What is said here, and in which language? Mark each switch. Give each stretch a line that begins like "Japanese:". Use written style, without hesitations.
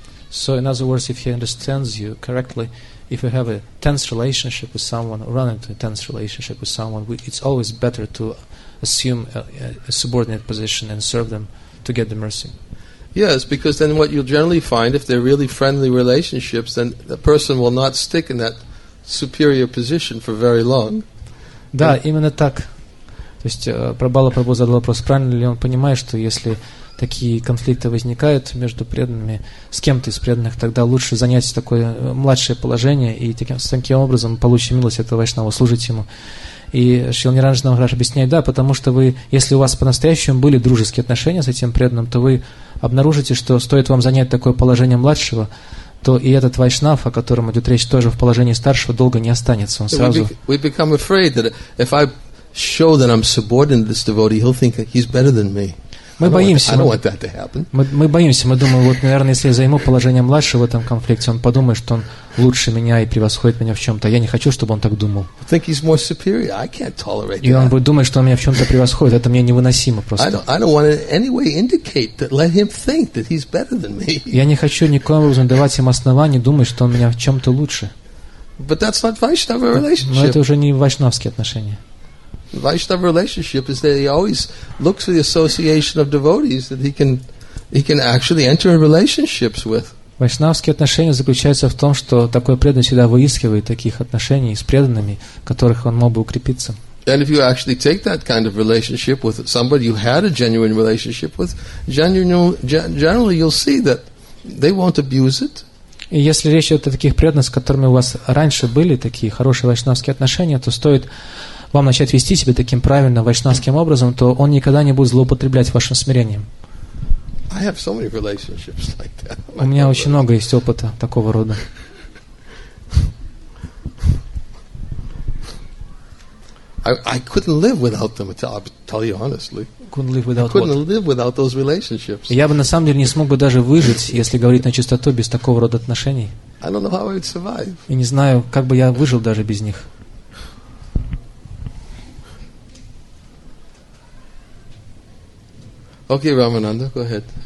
English: So in other words, if he understands you correctly, if you have a tense relationship with someone, or run into a tense relationship with someone, it's always better to assume a subordinate position and serve them to get the mercy. Yes, because then what you'll generally find, if they're really friendly relationships, then the person will not stick in that superior position for very long.
Russian: Да, именно так. То есть Прабхупада задал вопрос, правильно ли он понимает, что если такие конфликты возникают между преданными, с кем-то из преданных, тогда лучше занять такое младшее положение и таким образом получить милость этого вайшнава, служить ему. И Шрила Ниранджана Махараш объясняет, да, потому что вы, если у вас по-настоящему были дружеские отношения с этим преданным, то вы обнаружите, что стоит вам занять такое положение младшего, то и этот вайшнав, о котором идет речь, тоже в положении старшего, долго не останется. Он сразу...
English: We become afraid that if I show that I'm subordinate to this devotee, he'll think that he's better than me.
Russian: Мы боимся, мы думаем, вот, наверное, если я займу положение младшего в этом конфликте, он подумает, что он лучше меня и превосходит меня в чем-то. Я не хочу, чтобы он так думал.
English: Think he's more superior. I can't tolerate that.
Russian: И он будет думать, что он меня в чем-то превосходит. Это мне невыносимо просто.
English: I don't want to in any way indicate that. Let him think that he's better than me.
Russian: Я не хочу никоим образом давать им оснований думать, что он меня в чем-то лучше.
English: But that's not Vaishnava relationship.
Russian: Но это уже не вайшнавские отношения.
English: Vaishnava relationship is that he always looks for the association of devotees that he can actually enter relationships with.
Russian: Вайшнавские отношения заключаются в том, что такой преданный всегда выискивает таких отношений с преданными, в которых он мог бы укрепиться.
English: And if you actually take that kind of relationship with somebody you had a genuine relationship with, generally you'll see that they won't abuse it.
Russian: И если речь идет о таких преданных, с которыми у вас раньше были такие хорошие вайшнавские отношения, то стоит вам начать вести себя таким правильным вайшнавским образом, то он никогда не будет злоупотреблять вашим смирением.
English: I have so many relationships like that.
Russian: У меня очень много есть опыта такого рода.
English: I couldn't live without them, I'll tell you honestly. I couldn't live without those relationships.
Russian: Я бы на самом деле не смог бы даже выжить, если говорить на чистоту, без такого рода отношений.
English: I don't know how I would survive.
Russian: И не знаю, как бы я выжил даже без них.
English: Okay, Ramananda, go ahead.